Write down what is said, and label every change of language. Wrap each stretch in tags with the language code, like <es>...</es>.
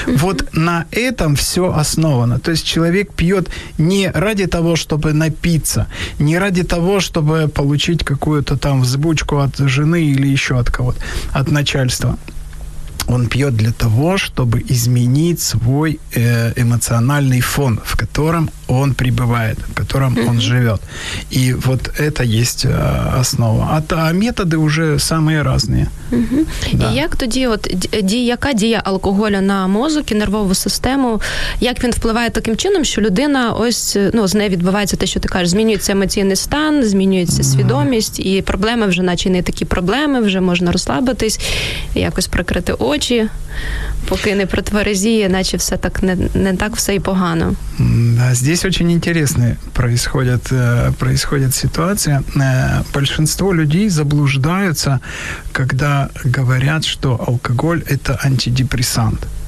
<ru>Вот на этом все основано. То есть человек пьет не ради того, чтобы напиться, не ради того, чтобы получить какую-то там взбучку от жены или еще от кого-то, от начальства. Он пьет для того, чтобы изменить свой эмоциональный фон, в котором он пребывает, в котором он живет. И вот это есть основа. А методы уже самые разные. Да.</ru> <uk>Як тоді, яка дія алкоголя на мозок і нервову систему, як він впливає таким чином, що людина, з неї відбувається те, що ти кажеш, змінюється емоційний стан, змінюється свідомість, і проблеми вже наче не такі проблеми, вже можна розслабитись, якось прикрити очі, поки не протверезіє, наче все так не так все і погано.</uk> <ru>Да, здесь очень интересно происходит ситуация. Большинство людей заблуждаются, когда говорят, что алкоголь – это антидепрессант.</ru>